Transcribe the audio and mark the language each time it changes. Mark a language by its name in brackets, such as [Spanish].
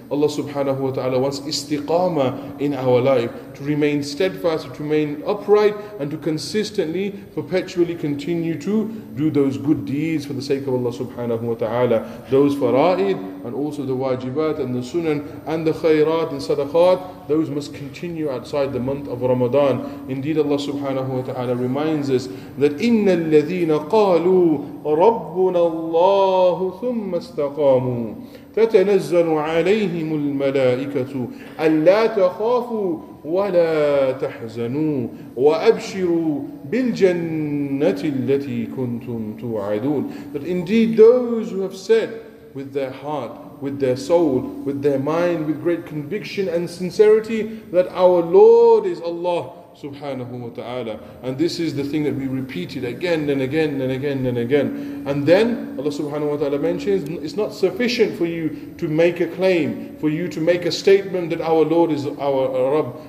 [English] Allah subhanahu wa ta'ala wants istiqama in our life, to remain steadfast, to remain upright, and to consistently, perpetually continue to do those good deeds for the sake of Allah subhanahu wa ta'ala. Those fara'id and also the wajibat and the sunan and the khairat and sadaqat, those must continue outside the month of Ramadan. Indeed, Allah subhanahu wa ta'ala reminds us that [Arabic] إِنَّ الَّذِينَ قَالُوا رَبُّنَا اللَّهُ ثُمَّ اسْتَقَامُوا تَتَنَزَّلُ عَلَيْهِمُ الْمَلَائِكَةُ أَلَّا تَخَافُوا وَلَا تَحْزَنُوا وَأَبْشِرُوا بِالْجَنَّةِ الَّتِي كُنْتُمْ تُوَعَدُونَ. [English] That indeed those who have said with their heart, with their soul, with their mind, with great conviction and sincerity, that our Lord is Allah subhanahu wa ta'ala. And this is the thing that we repeated again and again and again and again. And then Allah subhanahu wa ta'ala mentions, it's not sufficient for you to make a claim, for you to make a statement that our Lord is our Rabb.